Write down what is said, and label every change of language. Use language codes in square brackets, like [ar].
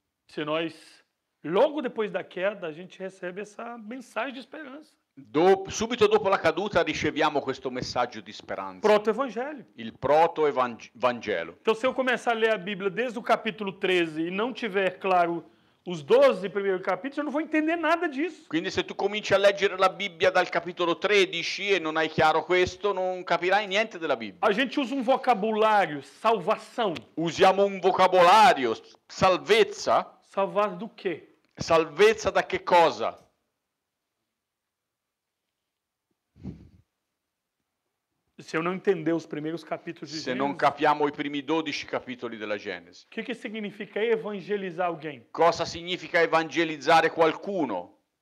[pt] Se nós logo depois da queda a gente recebe essa mensagem de esperança. [it] Subito dopo la caduta riceviamo questo messaggio di speranza. [pt] Proto Evangelho. [it] Il proto evangelho. [pt] Então se eu começar a ler a Bíblia desde o capítulo 13 e não tiver claro os 12 primeiros capítulos, eu não vou entender nada disso. [it] Quindi se tu cominci a leggere la Bibbia dal capitolo 13 e non hai chiaro questo, non capirai niente della Bibbia. [pt] A gente usa um vocabulário, salvação. [it] Usiamo un vocabolario, salvezza. [pt] Salvar do quê? [it] Salvezza da che cosa? [pt] Se eu não entender os primeiros capítulos de Gênesis. [it] Se non capiamo i primi 12 capitoli della Genesi. Che significa evangelizzare alguém? Cosa significa evangelizzare qualcuno?